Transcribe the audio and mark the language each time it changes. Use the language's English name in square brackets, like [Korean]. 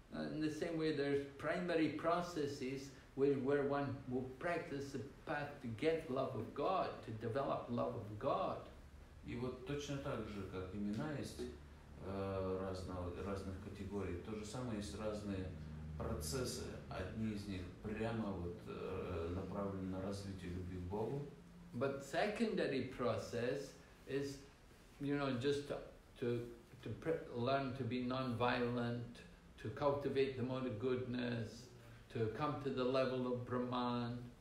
[English] In the same way, there's primary processes where one will practice the path to get love of God, to develop love of God. [Russian] И вот точно так же, как имена есть разных категорий, то же самое есть разные процессы. Одни из них прямо вот направлены на развитие любви к Богу. [English] But secondary process is, you know, just to learn to be non-violent, to cultivate the mode of goodness, to come to the level of Brahman.